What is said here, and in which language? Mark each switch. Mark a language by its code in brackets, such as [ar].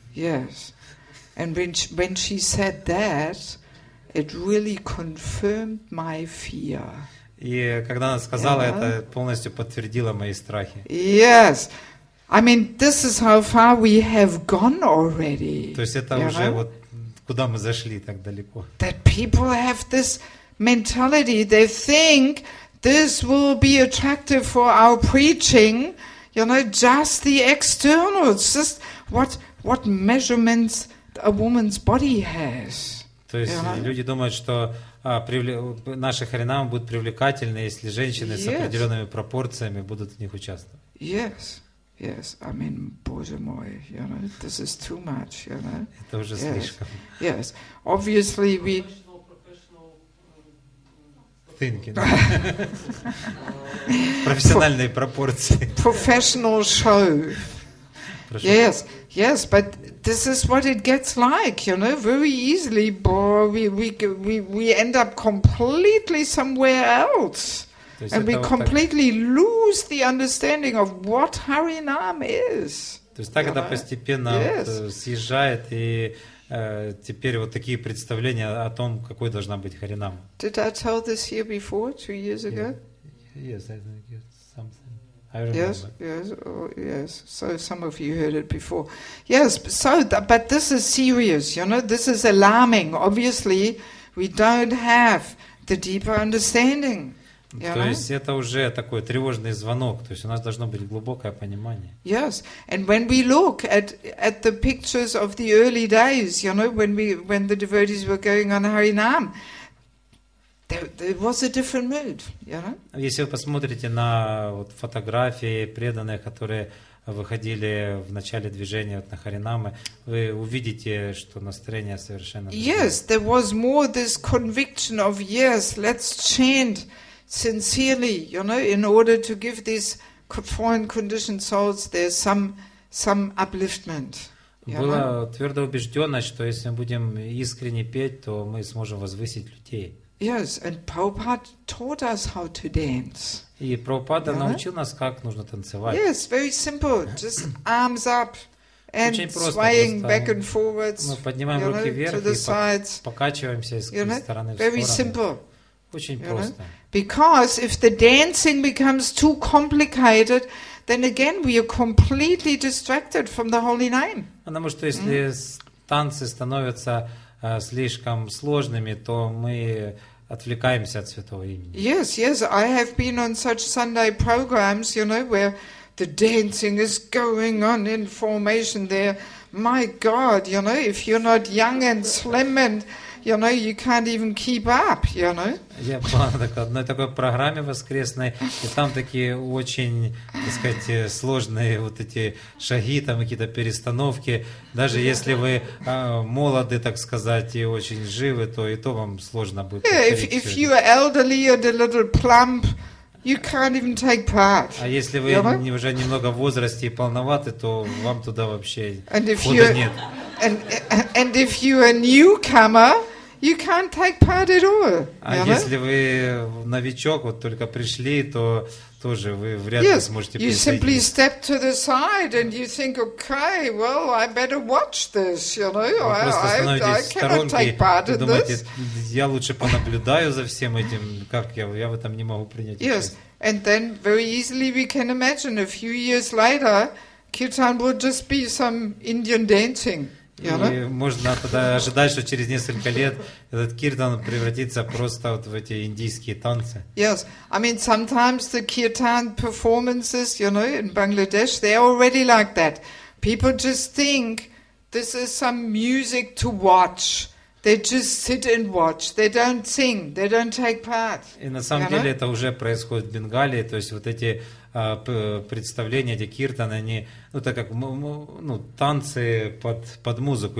[en] Yes, and when she said that, it really confirmed my fear. [ru] И когда она сказала, это полностью подтвердило мои страхи. [en] Yes. I mean, this is how far we have gone already. [ru] То есть это уже вот куда мы зашли так далеко. [en] That people have this mentality. They think this will be attractive for our preaching. You know, just the externals. Just what measurements a woman's body has. [ru] То есть люди думают, что наши харинамы будут привлекательны, если женщины с определенными пропорциями будут в них участвовать. [en] Yes, yes. I mean, [ru] боже мой, [en] you know, this is too much, you know. [ru] Это уже слишком. [en] Yes, obviously we... Professional thinking. [ru] Профессиональные пропорции. [en] Professional show. Yes, yes, but this is what it gets like, you know, very easily, boy, we end up completely somewhere else. And we completely lose the understanding of what Harinam is. [ru] То есть так это постепенно съезжает, и теперь вот такие представления о том, какой должна быть Харинам. [en] Did I tell this here before, 2 years ago? Yes, I think it's something. Yes. So some of you heard it before. Yes. But this is serious. You know, this is alarming. Obviously, we don't have the deeper understanding. [ru] То есть это уже такой тревожный звонок. То есть у нас должно быть глубокое понимание. [en] Yes. And when we look at the pictures of the early days, you know, when the devotees were going on Harinam, there was a different mood, you know? [ru] Если вы посмотрите на вот фотографии преданных, которые выходили в начале движения вот на Харинамы, вы увидите, что настроение совершенно другое. [en] Yes, there was more this conviction of yes, let's chant sincerely, you know, in order to give these foreign conditioned souls there some upliftment. [ru] Была твердо убежденность, что если мы будем искренне петь, то мы сможем возвысить людей. [en] Yes, and Prabhupada taught us how to dance. [ru] И Прабхупада научил нас, как нужно танцевать. [en] Yes, very simple, just arms up and swaying back and forwards. [ru] Мы поднимаем руки вверх и покачиваемся из стороны в сторону. [en] Very simple. [ru] Очень просто. [en] Because if the dancing becomes too complicated, then again we are completely distracted from the holy name. [ru] Потому что если танцы становятся слишком сложными, то мы отвлекаемся от святого имени. [en] Yes, yes, I have been on such Sunday programs, you know, where the dancing is going on in formation there. My God, you know, if you're not young and slim and, you know, you can't even keep up, you know. [ru] Я была на одной такой программе воскресной, и там такие очень, так сказать, сложные вот эти шаги, там какие-то перестановки. Даже если вы молоды, так сказать, и очень живы, то и то вам сложно будет. [en] Yeah, if you are elderly and a little plump, you can't even take part. [ru] А если вы уже немного в возрасте и полноваты, то вам туда вообще входа нет. [en] And if you are a newcomer, you can't take part at all. [ru] А если вы новичок, вот только пришли, то тоже вы вряд ли сможете присоединиться. [en] You simply step to the side and you think, okay, well, I better watch this, you know. [ru] Вы просто становитесь в сторонке и думаете, я лучше понаблюдаю за всем этим, как я в этом не могу принять участие. [en] Yes, and then very easily we can imagine a few years later, Kirtan will just be some Indian dancing. [ru] И можно тогда ожидать, что через несколько лет этот киртан превратится просто вот в эти индийские танцы. [en] Yes, I mean sometimes the kirtan performances, you know, in Bangladesh, they're already like that. People just think this is some music to watch. They just sit and watch. They don't sing. They don't take part. [ru] И на самом деле это уже происходит в Бенгалии, то есть вот эти представления, эти киртаны, они, ну, так как, ну, танцы под музыку.